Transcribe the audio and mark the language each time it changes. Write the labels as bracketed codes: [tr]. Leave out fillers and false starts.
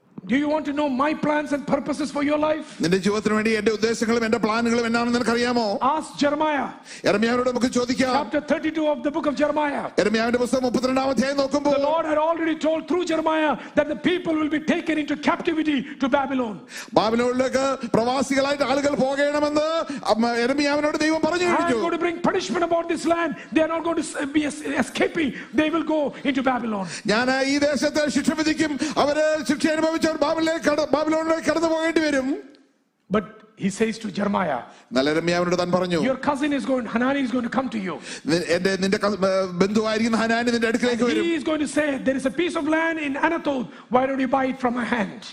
[en] Do you want to know my plans and purposes for your life? [ml] നിന്റെ ജീവിതത്തിന് വേണ്ടി എന്റെ ഉദ്ദേശങ്ങളും എന്റെ പ്ലാനുകളും എന്താണെന്ന് നിനക്കറിയാമോ? [en] Ask Jeremiah. [ml] യിർമ്യാവിനോട് നമുക്ക് ചോദിക്കാം. [en] Chapter 32 of the book of Jeremiah. [ml] യിർമ്യാവിന്റെ പുസ്തകം 32-ാം അധ്യായം നോക്കുമ്പോൾ. [en] The Lord had already told through Jeremiah that the people will be taken into captivity to Babylon. [ml] ബാബിലോണിലേക്ക് പ്രവാസികളായിട്ട് ആളുകൾ പോകേണമെന്ന് യിർമ്യാവിനോട് ദൈവം പറഞ്ഞു കൊടുത്തു. [en] They are going to bring punishment upon this land. They are not going to be escaping. They will go into Babylon. [ml] ഞാൻ ഈ ദേശത്തെ ശിക്ഷ വിധിക്കും. അവരെ ശിക്ഷ അനുഭവിച്ചു. [en] But He says to Jeremiah, your cousin is going, Hanani is going to come to you. And he is going to say, there is a piece of land in Anathoth. Why don't you buy it from my hand?